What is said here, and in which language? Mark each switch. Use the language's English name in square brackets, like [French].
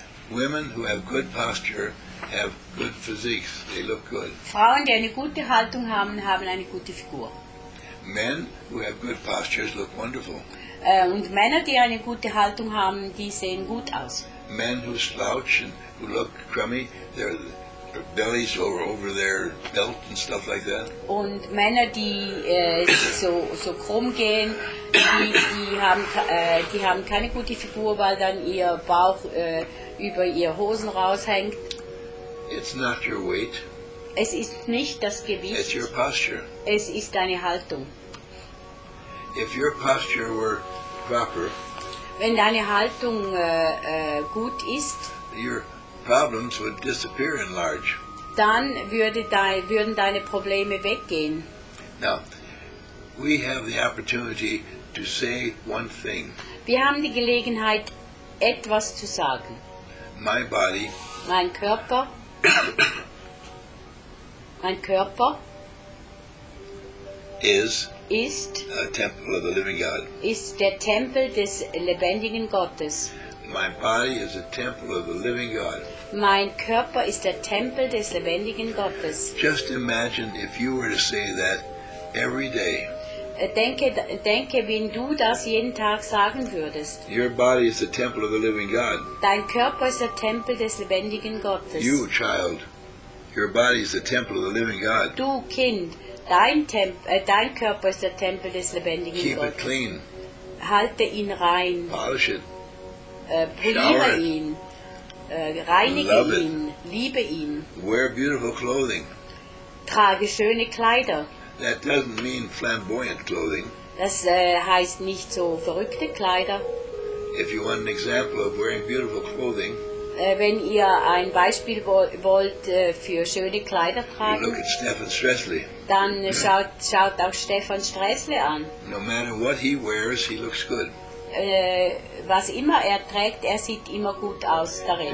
[English] Women who have good posture have good physiques. They look good. [German] Frauen, die eine gute Haltung haben, haben eine gute Figur. [English] Men who have good postures look wonderful. [German] Und Männer, die eine gute Haltung haben, die sehen gut aus. [English] Men who slouch and who look crummy, their bellies are over their belt and stuff like that. [German] Und Männer, die so krumm gehen, die haben keine gute Figur, weil dann ihr Bauch über ihr Hosen raushängt. [English] It's not your weight. [German] Es ist nicht das Gewicht. [English] It's your posture. [German] Es ist deine Haltung. [English] if your posture were proper, [German] wenn deine Haltung gut ist, [English] your problems would disappear in large. [German] Dann würden deine Probleme weggehen. [English] Now, we have the opportunity to say one thing. [German] Wir haben die Gelegenheit, etwas zu sagen. [English] My body, [German] mein Körper, mein Körper [English] ist a temple of the living God. [German] Ist der Tempel des lebendigen Gottes. [English] My body is a temple of the living God. [German] Mein Körper ist der Tempel des lebendigen Gottes. [English] Just imagine if you were to say that every day. [German] Denke, wenn du das jeden Tag sagen würdest. [English] Your body is the temple of the living God. [German] Dein Körper ist der Tempel des lebendigen Gottes. [English] You, child, your body is the temple of the living God. [German] Du, Kind, dein Körper ist der Tempel des lebendigen [English] Keep [German] Gottes. [English] It clean. [German] Halte ihn rein. [English] Polish it. [German] Poliere ihn. Reinige [English] Love [German] ihn. [English] It. [German] Liebe ihn. [English] Wear beautiful clothing. [German] Trage schöne Kleider. [English] That doesn't mean flamboyant clothing. [German] Das heißt nicht so verrückte Kleider. [English] If you want an example of wearing beautiful clothing, [German] wenn ihr ein Beispiel wollt für schöne Kleider tragen, [English] you look at Stefan Stressley. [German] Dann schaut auch Stefan Stressley an. [English] No matter what he wears, he looks good. [German] Was immer er trägt, er sieht immer gut aus darin.